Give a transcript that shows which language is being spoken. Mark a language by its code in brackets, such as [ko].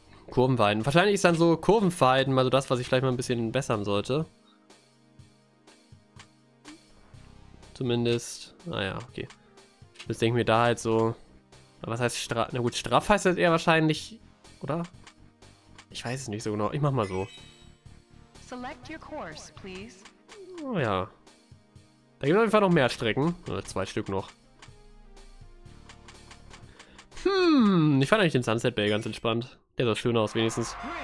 [de] Kurvenweiden. Wahrscheinlich ist dann so Kurvenweiden mal so das, was ich vielleicht mal ein bisschen bessern sollte. Zumindest. Naja, okay. Das denke ich mir da halt so. Was heißt straff? Na gut, straff heißt das eher wahrscheinlich, oder? Ich weiß es nicht so genau. Ich mach mal so. [en] Select your course, please. [de] Oh ja. Da gibt es auf jeden Fall noch mehr Strecken. Oder zwei Stück noch. Ich fand eigentlich den Sunset Bay ganz entspannt. Der sah schön aus, wenigstens.